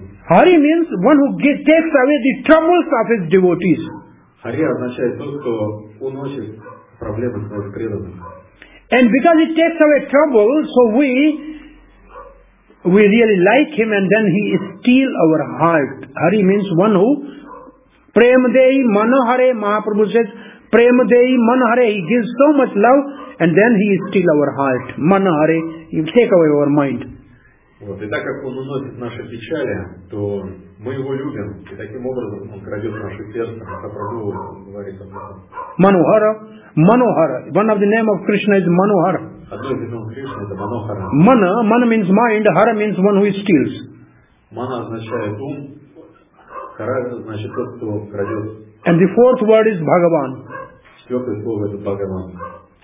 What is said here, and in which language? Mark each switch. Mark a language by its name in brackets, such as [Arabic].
[English] Hari means one who takes away the troubles of his devotees. [Russian] Hari означает тот, кто уносит проблемы своих преданных. [English] And because he takes away trouble, so we really like him, and then he steals our heart. Hari means one who [Sanskrit] premadei manohare. [English] Mahaprabhu says [Sanskrit] premadei manohare. [English] He gives so much love, and then he steals our heart. Manohare, he takes away our mind. [Russian] Вот, и так как он уносит наши печали, то мы его любим, и таким образом он крадет наше сердце, как Прабху говорит об этом. [Sanskrit] Манохара. Манохара. [English] One of the name of Krishna is Манохара. [Russian] Одно из имен Кришны — это Манохара. [Sanskrit] Мана. [English] Мана means mind, Хара means one who steals. [Russian] Мана означает ум, Хара значит тот, кто крадет. [English] And the fourth word is Bhagavan. [Russian] Четвертое слово — это Бхагаван.